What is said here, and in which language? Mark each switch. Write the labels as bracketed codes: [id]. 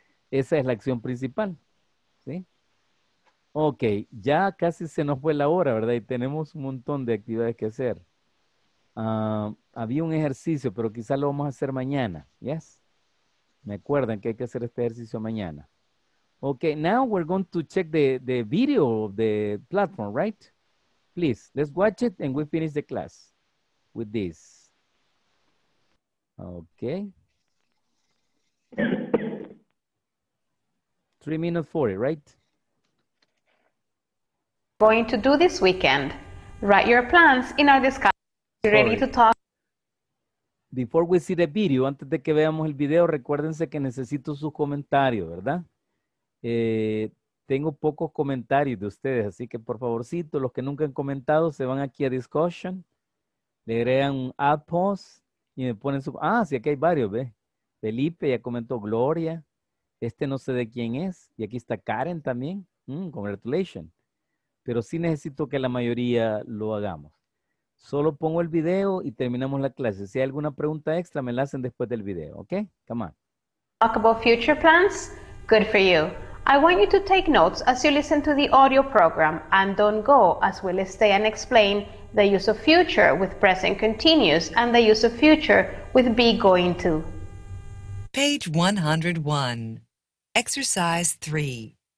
[es] Esa es la acción principal, ¿sí? Ok, ya casi se nos fue la hora, ¿verdad? Y tenemos un montón de actividades que hacer. Había un ejercicio, pero quizás lo vamos a hacer mañana, ¿yes? Me acuerdan que hay que hacer este ejercicio mañana. [en] Ok, now we're going to check the video of the platform, right? Please, let's watch it and we finish the class. With this. Okay. 3:40, right? Going to do this weekend. Write your plans in our discussion. You ready to talk? Before we see the video, [es] antes de que veamos el video, recuérdense que necesito sus comentarios, ¿verdad? Tengo pocos comentarios de ustedes, así que por favorcito, los que nunca han comentado, se van aquí a discussion. Le agregan un add post y me ponen su... Ah, sí, aquí hay varios, ¿ve? Felipe ya comentó Gloria. Este no sé de quién es. Y aquí está Karen también. [en] Congratulations. [es] Pero sí necesito que la mayoría lo hagamos. Solo pongo el video y terminamos la clase. Si hay alguna pregunta extra, me la hacen después del video, ¿ok? [en] Come on. Talk about future plans? Good for you. I want you to take notes as you listen to the audio program and don't go as we'll stay and explain the use of future with present continuous and the use of future with be going to. Page 101. Exercise 3.